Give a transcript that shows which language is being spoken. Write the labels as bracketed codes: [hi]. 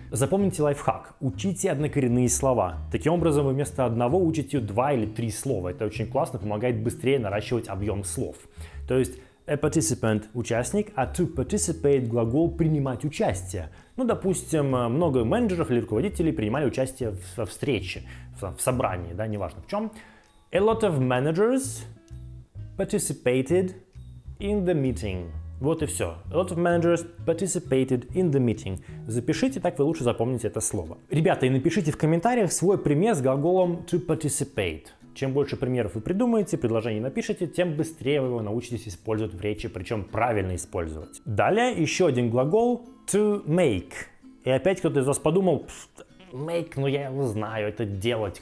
[ru] Запомните лайфхак. Учите однокоренные слова. Таким образом, вы вместо одного учите два или три слова. Это очень классно, помогает быстрее наращивать объем слов. То есть a participant – участник, а to participate – глагол принимать участие. Ну, допустим, много менеджеров или руководителей принимали участие во встрече, в собрании, да, неважно в чем. [en] A lot of managers participated in the meeting. [ru] Вот и все. [en] A lot of managers participated in the meeting. [ru] Запишите, так вы лучше запомните это слово. Ребята, и напишите в комментариях свой пример с глаголом to participate. Чем больше примеров вы придумаете, предложений напишите, тем быстрее вы его научитесь использовать в речи, причем правильно использовать. Далее еще один глагол to make. И опять кто-то из вас подумал, make, ну я его знаю, это делать.